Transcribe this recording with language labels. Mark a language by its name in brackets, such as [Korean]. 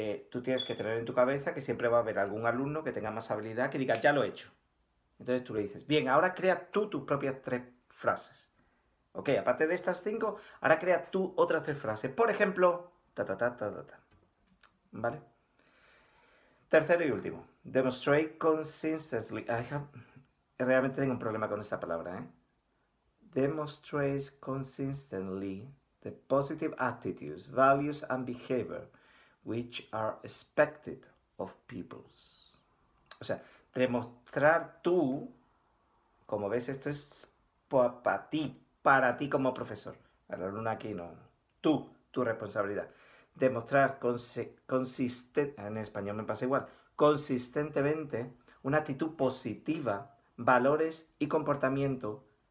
[Spanish] Tú tienes que tener en tu cabeza que siempre va a haber algún alumno que tenga más habilidad que diga, ya lo he hecho. Entonces tú le dices, bien, ahora crea tú tus propias tres frases. Ok, aparte de estas cinco, ahora crea tú otras tres frases. Por ejemplo, ta ta ta ta ta ta. ¿Vale? Tercero y último. [English] Demonstrate consistently. [Spanish] Realmente tengo un problema con esta palabra, ¿eh? [English] Demonstrates consistently the positive attitudes, values and behavior which are expected of pupils. [Spanish] O sea, demostrar tú, como ves, esto es para ti como profesor, a la alumna aquí no, tú, tu responsabilidad. Demostrar consistente, en español me pasa igual, consistentemente una actitud positiva, valores y comportamiento.